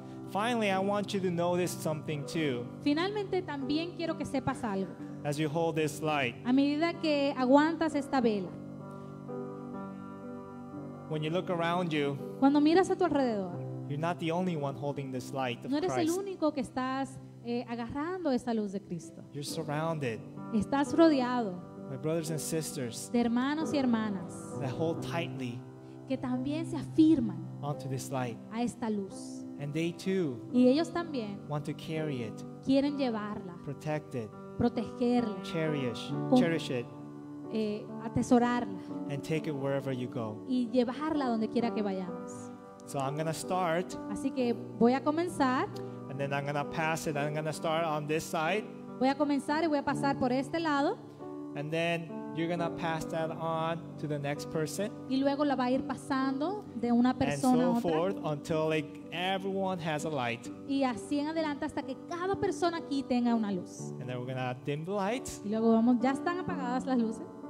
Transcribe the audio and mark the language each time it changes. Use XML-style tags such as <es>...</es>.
<en>Finally, I want you to notice something too.</en> <es>Finalmente, también quiero que sepas algo.</es> <en>As you hold this light,</en> <es>a medida que aguantas esta vela,</es> <en>when you look around you,</en> <es>cuando miras a tu alrededor,</es> <en>you're not the only one holding this light of</en> <es>No eres el único que estás agarrando esta luz de Cristo.</es> <en>You're surrounded.</en> <es>Estás rodeado.</es> <en>My brothers and sisters,</en> <es>de hermanos y hermanas,</es> <en>that hold tightly,</en> <es>que también se afirman,</es> <en>onto this light,</en> <es>a esta luz.</es> <en>And they too,</en> <es>y ellos también,</es> <en>want to carry it,</en> <es>quieren llevarla,</es> <en>protect it,</en> <es>protegerla,</es> <en>cherish it,</en> <es>atesorarla,</es> <en>and take it wherever you go,</en> <es>y llevarla donde quiera que vayamos.</es> <en>So I'm gonna start,</en> <es>así que voy a comenzar,</es> <en>and then I'm gonna pass it. I'm gonna start on this side.</en> <es>Voy a comenzar y voy a pasar por este lado,</es> <en>and then you're gonna pass that on to the next person,</en> <es>y luego la va a ir pasando de una persona</es> <en>and so</en> <es>a otra,</es> <en>forth until like everyone has a light,</en> <es>y así en adelante hasta que cada persona aquí tenga una luz,</es> <en>and then we're gonna dim the lights,</en> <es>y luego vamos, ya están apagadas las luces,</es>